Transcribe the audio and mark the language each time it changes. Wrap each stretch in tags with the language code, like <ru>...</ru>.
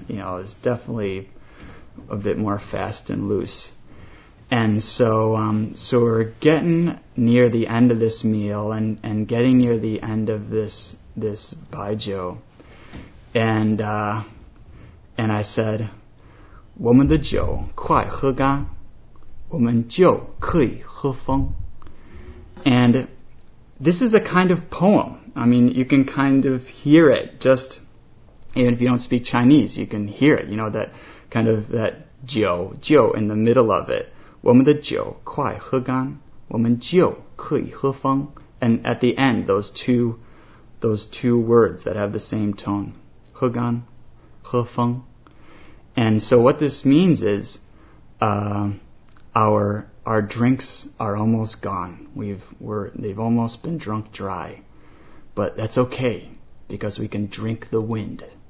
<en>You know, I was definitely a bit more fast and loose. And so we're getting near the end of this meal and getting near the end of this baijiu. And I said,</en> <zh>我们的酒快喝干，我们就可以喝风。</zh> <en>And this is a kind of poem. I mean, you can kind of hear it, just even if you don't speak Chinese, you can hear it. You know, that kind of that 酒, 酒 in the middle of it.</en> <zh>我们的酒快喝干，我们就可以喝风。</zh> <en>And at the end, those two words that have the same tone,</en> <zh>喝干，喝风。</zh> <en>And so what this means is, our drinks are almost gone. They've almost been drunk dry. But that's okay, because we can drink the wind.</en>